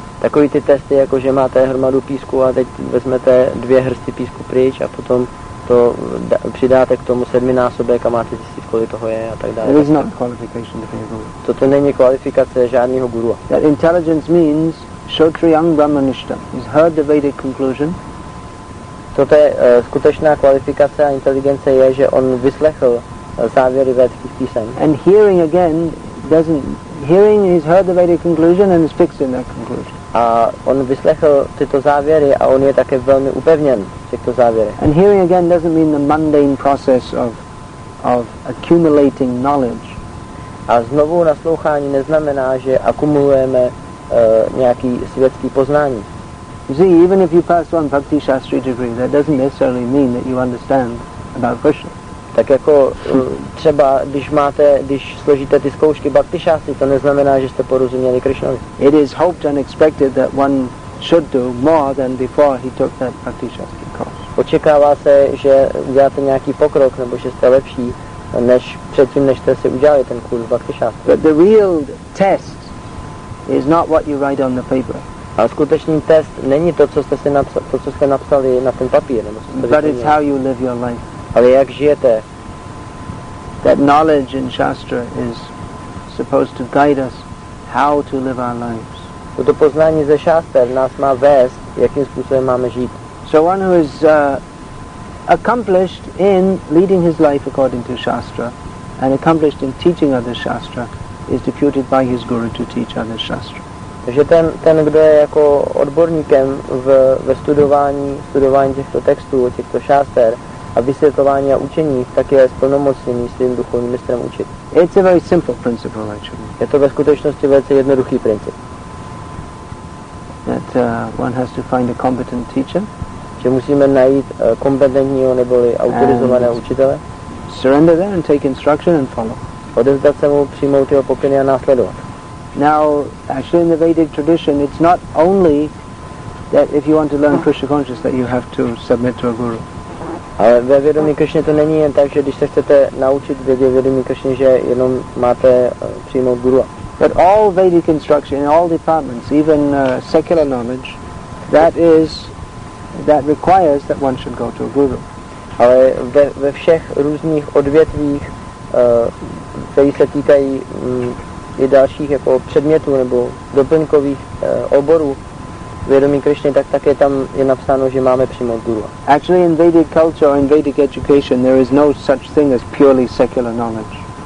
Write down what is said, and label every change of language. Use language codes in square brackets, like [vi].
[cs] Takový ty testy, jako že máte hromadu písku a teď vezmete 2 hrsty písku pryč a potom to přidáte k tomu 7násobek a máte zjistit, kolik toho je a tak dále. [en] It is not qualification to be a guru. [cs] Toto není kvalifikace žádného guru. [en] That intelligence means Kshatriyang Brahmanishtam. He's heard the Vedic conclusion. [cs] Toto je skutečná kvalifikace a inteligence je, že on vyslechl závěry vedských písem. [en] And hearing again doesn't. Hearing, he's heard the Vedic conclusion and is fixed in that conclusion. [cs] A on vyslechl tyto závěry a on je také velmi upevněn v těchto závěrech. [en] And hearing again doesn't mean the mundane process of accumulating knowledge. [cs] A znovu naslouchání neznamená, že akumulujeme nějaký světský poznání. [en] You see, even if you pass one bhakti shastri degree, that doesn't necessarily mean that you understand about Krishna. [cs] Tak jako třeba, když složíte ty zkoušky bhakti šástry, to neznamená, že jste porozuměli Krišnovi. [en] It is hoped and expected that one should do more than before he took that bhakti šástry course. [cs] Očekává se, že uděláte nějaký pokrok, nebo že jste lepší, než předtím, než jste si udělali ten kurz bhakti šástry. [en] But the real test is not what you write on the paper. [cs] A skutečný test není to, co jste si napsali, co jste napsali na ten papír. Nebo [en] but it's how you live your life. [cs] Ale jak žijete? [en] That knowledge in Shastra is supposed to guide us how to live our lives. [cs] Toto poznání ze šáster nás má vést, jakým způsobem máme žít. [en] So one who is accomplished in leading his life according to Shastra and accomplished in teaching others Shastra is deputed by his guru to teach other shastra. [cs] Takže ten kdo je jako odborníkem ve studování těchto textů, těchto šáster a vysvětlování a učení, tak je splnomocněný svým duchovním mistrem učit. [en] It's a very simple principle actually. [cs] Je to ve skutečnosti velice jednoduchý princip. [en] That one has to find a competent teacher. [cs] Že musíme najít kompetentního neboli autorizovaného učitele. [en] Surrender there and take instruction and follow. [cs] Odevzdat se mu, přijmout jeho pokyny a následovat. [en] Now, actually in the Vedic tradition, it's not only that if you want to learn Krishna consciousness that you have to submit to a guru. [cs] Ale ve vědomí Krishna to není jen tak, že když se chcete naučit vědomí Krishna, že jenom máte přijmout guru. [en] But all Vedic instruction in all departments, even secular knowledge, that requires that one should go to a guru. [cs] Ale ve všech různých odvětvích, které se týkají i dalších jako předmětů nebo doplňkových oborů vědomí Krishna, tak také tam je napsáno, že máme přijmout guru. [en] Actually in Vedic culture, in Vedic education, there is no such thing as purely secular knowledge.